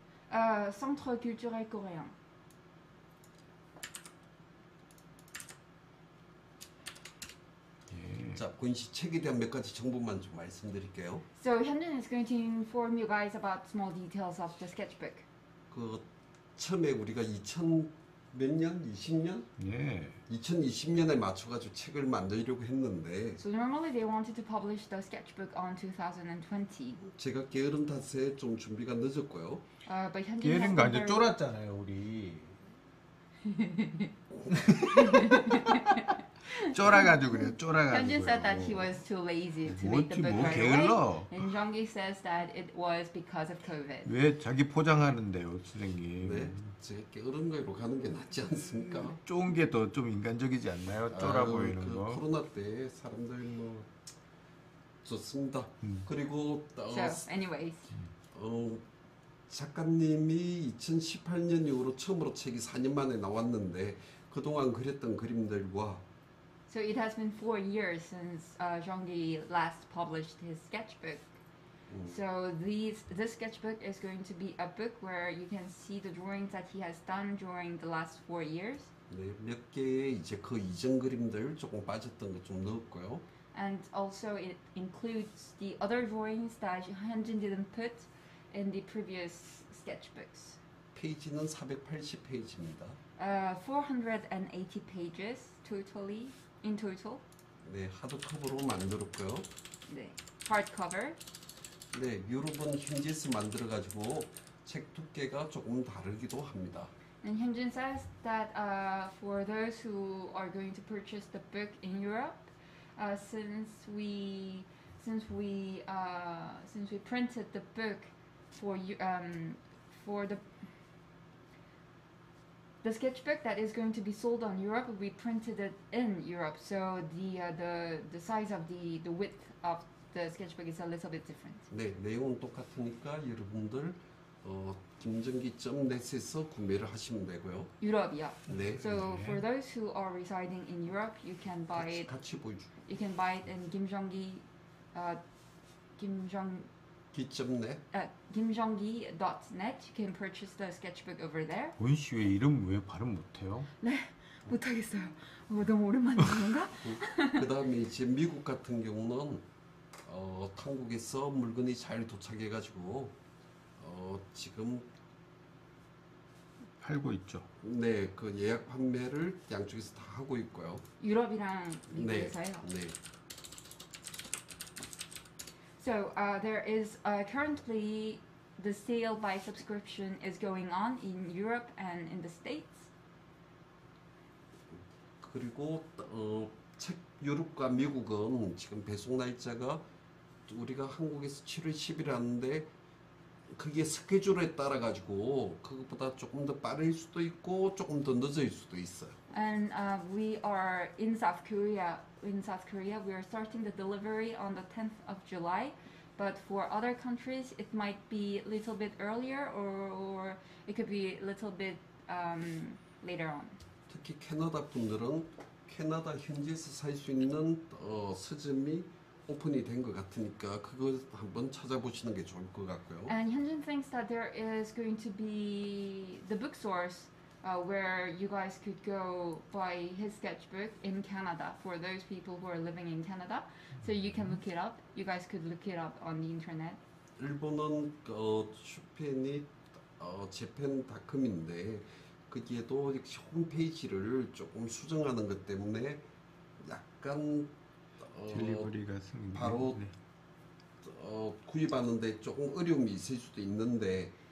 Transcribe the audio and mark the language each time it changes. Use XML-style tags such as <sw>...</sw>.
<ko>아, Centre Culturel Coréen. 자, 고인 씨 책에 대한 몇 가지 정보만 좀 말씀드릴게요.</ko> <en>So, Hyunjin is going to inform you guys about small details of the sketchbook.</en> <ko>그 처음에 우리가 2000몇 년? 20년? 네. 2020년에 맞춰가지고 책을 만들려고 했는데</ko> <en>So, normally they wanted to publish the sketchbook on 2020.</en> <ko>제가 게으른 탓에 좀 준비가 늦었고요.</ko> <en>But Hyunjin</en> <ko>게으른 거 아니죠? 쫄았잖아요, 우리. 쫄아가지고 그래요. 쫄아가지고.</ko> <en>Hyunjin said that he was too lazy to make the book</en> <ko>뭐</ko> <en>right</en> <ko>게을러.</ko> <en>away. And Jonggi says that it was because of COVID.</en> <ko>왜 자기 포장하는데요, 선생님. 네, 제 게으른 걸로 가는 게 낫지 않습니까? 좋은 게 더 좀 인간적이지 않나요? 쫄아 보이는 그 거. 코로나 때 사람들 뭐 좋습니다. 그리고</ko> <en>So, anyways.</en> <ko>작가님이 2018년 이후로 처음으로 책이 4년 만에 나왔는데 그동안 그렸던 그림들과</ko> <en>So it has been 4 years since Zhonggi last published his sketchbook. So this sketchbook is going to be a book where you can see the drawings that he has done during the last 4 years.</en> <ko>네, 몇 개의 이제 그 이전 그림들 조금 빠졌던 거 좀 넣었고요.</ko> <en>And also it includes the other drawings that Hyunjin didn't put in the previous sketchbooks.</en> <ko>페이지는 480페이지입니다.</ko> <en>480 pages totally. In total?</en> <ko>네, 하드커버로 만들었고요. 네, hardcover. 네, 유럽은 힌지에서 만들어가지고 책 두께가 조금 다르기도 합니다.</ko> <en>And Hyunjin says that for those who are going to purchase the book in Europe, since we printed the book for the sketchbook that is going to be sold on Europe, we printed it in Europe. So the size of the width of the sketchbook is a little bit different.</en> <ko>네, 내용은 똑같으니까 여러분들 김정기.net에서 구매를 하시면 되고요. 유럽이요. 네.</ko> <en>So</en> <ko>네.</ko> <en>for those who are residing in Europe, you can buy</en> <ko>같이,</ko> <en>it.</en> <ko>같이 보여줘.</ko> <en>You can buy it in 김정기. 김정기.net. 김정기.net. You can purchase the sketchbook over there.</en> <ko>원 씨 왜 이름 왜 발음 못해요? 네, 못하겠어요. 너무 오랜만에 듣는가? 그다음에 이제 미국 같은 경우는 한국에서 물건이 잘 도착해가지고. 지금 팔고 있죠. 네, 그 예약 판매를 양쪽에서 다 하고 있고요. 유럽이랑 미국에서요. 네. 네.</ko> <en>So, there is currently the sale by subscription is going on in Europe and in the States.</en> <ko>그리고 책 유럽과 미국은 지금 배송 날짜가 우리가 한국에서 7월 10일 하는데 그게 스케줄에 따라 가지고 그것보다 조금 더 빠를 수도 있고 조금 더 늦을 수도 있어요.</ko> <en>And we are in South Korea. In South Korea, we are starting the delivery on the 10th of July, but for other countries, it might be a little bit earlier or it could be a little bit later on.</en> <ko>특히 캐나다 분들은 캐나다 현지에서 살 수 있는 서점이 오픈이 된 것 같으니까 그거 한번 찾아보시는 게 좋을 것 같고요.</ko> <en>And Hyunjin thinks that there is going to be the bookstores where you guys could go buy his sketchbook in Canada for those people who are living in Canada. So you can look it up. You guys could look it up on the internet.</en> <ko>일본은 쇼핑이 재팬닷컴인데 거기에도 홈페이지를 조금 수정하는 것 때문에 약간 딜리버리가 생긴 바로 네. 구입하는데 조금 어려움이 있을 수도 있는데.</ko>